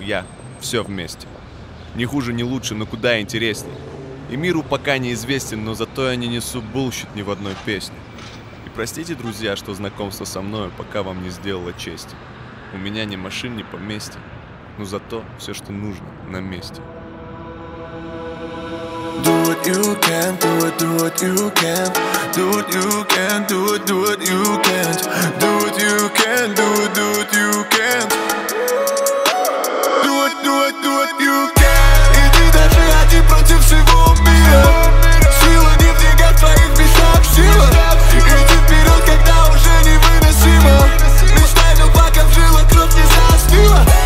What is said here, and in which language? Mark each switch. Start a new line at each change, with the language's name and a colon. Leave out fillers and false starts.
Russian: Я все вместе. Не хуже, не лучше, но куда интересней. И миру пока неизвестен, но зато я не несу булщит ни в одной песне. И простите, друзья, что знакомство со мною пока вам не сделало чести. У меня ни машин, ни поместья, но зато все, что нужно, на месте.
English: Do what you can, do it, do what you can. Do what you can, do it, do what you can. Do what you can, do it, do what you can. Do it, do it, do what you can.
Russian: Иди даже один против всего мира. Сила не в деньгах твоих, бесах сила. Иди вперед, когда уже невыносимо. Мечтай, но пока в жилах кровь не застыла.